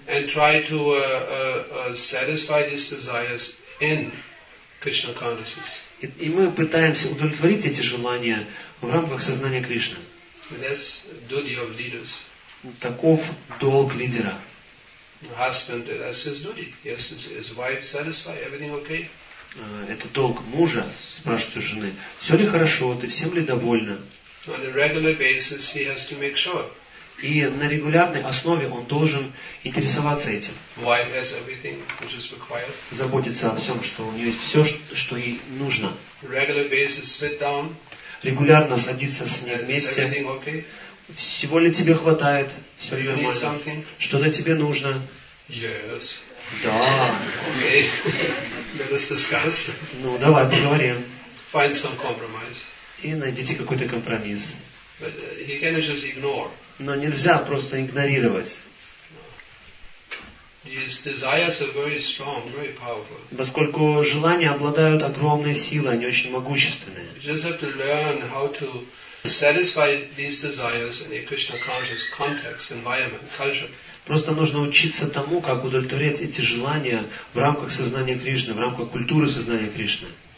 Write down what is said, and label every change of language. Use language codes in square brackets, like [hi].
[en] And try to satisfy these desires in Krishna consciousness. [ru] И мы пытаемся удовлетворить эти желания в рамках сознания Кришны. [en] That's duty of leaders. [ru] Таков долг лидера. [en] Husband, that's his duty. Yes, his wife satisfy everything okay? [ru] Это долг мужа, спрашивает у жены. Все ли хорошо, ты всем ли довольна? [en] On a regular basis, he has to make sure. [ru] И на регулярной основе он должен интересоваться этим. [en] Wife has everything which is required. [ru] Заботиться о всем, что у нее есть все, что ей нужно. [en] Regular basis, sit down. [ru] Регулярно садиться с ней вместе. [en] Everything okay? [ru] Всего ли тебе хватает? Все ли нормально? Что-то тебе нужно? [en] Yes. [ru] Да. [en] Okay. Let us discuss. [ru] Ну, давай поговорим. [en] Find some compromise. [ru] И найдите какой-то компромисс. [en] But he cannot just ignore. [ru] Но нельзя просто игнорировать. [en] His desires are very strong, very powerful. [ru] Поскольку желания обладают огромной силой, они очень могущественные. [en] You just have to learn how to satisfy these desires in a Krishna conscious context, environment, culture. [ru] Просто нужно учиться тому, как удовлетворять эти желания в рамках сознания Кришны, в рамках культуры сознания Кришны.